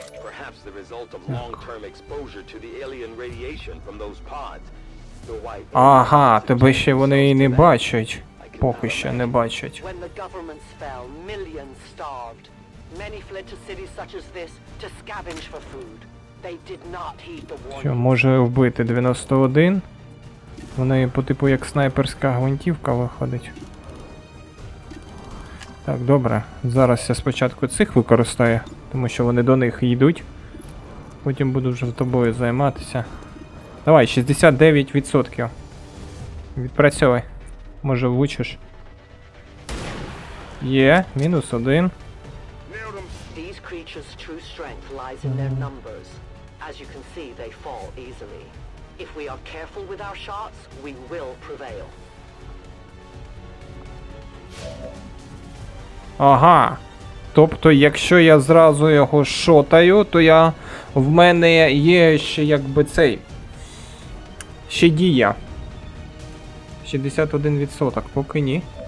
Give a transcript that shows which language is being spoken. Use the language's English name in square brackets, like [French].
[English] Perhaps the result of long-term exposure to the alien radiation from those pods. [Ukrainian] Ага, тебе ще вони і не бачать. Поки ще не бачать. [English] When the governments fell, millions starved. Many fled to cities such as this to scavenge for food. They did not heed the warning. [Ukrainian] Що, може вбити 91? В неї по типу як снайперська гвинтівка виходить. Так, добре. Зараз я спочатку цих використаю. Тому що вони до них йдуть. Потім буду вже з тобою займатися. Давай, 69%. Відпрацьовуй. Може влучиш. Є, мінус один. [English] These creatures' true strength lies in their numbers. As you can see, they fall easily. If we are careful with our shots, we will prevail. [Ukrainian] Ага. Тобто, якщо я зразу його шотаю, то я, в мене є ще якби цей, ще дія. 61%, поки ні.